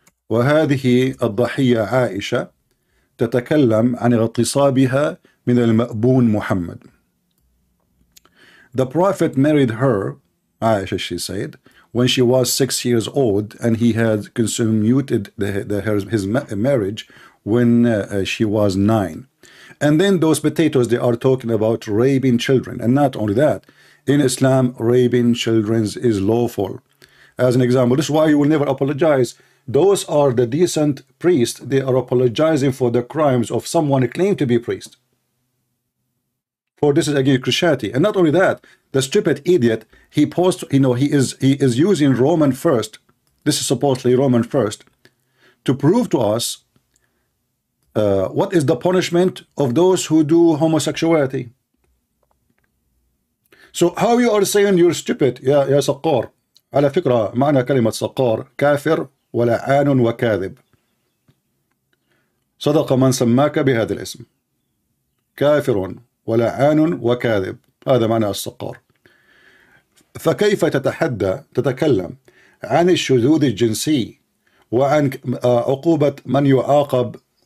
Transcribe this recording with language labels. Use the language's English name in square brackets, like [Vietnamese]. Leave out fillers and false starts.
[Arabic] وهذه الضحية عائشة تتكلم عن اغتصابها من المأبون محمد. [English] The Prophet married her, Aisha, she said, when she was 6 years old, and he had consummated his marriage when she was 9. And then those potatoes, they are talking about raping children. And not only that, in Islam, raping children is lawful. As an example, this is why you will never apologize. Those are the decent priests. They are apologizing for the crimes of someone who claimed to be a priest. For this is against Christianity. And not only that, the stupid idiot, he posts, you know, he is using Roman first, this is supposedly Roman first, to prove to us what is the punishment of those who do homosexuality. So how you are saying you're stupid, ya Saqqar. [Arabic] على فكرة معنى كلمة Saqqar كافر ولعان وكاذب. صدق من سماك بهذا الاسم. كافر ولعان وكاذب. هذا معنى الصقار. فكيف تتحدى تتكلم عن الشذوذ الجنسي وعن عقوبة من يعاقب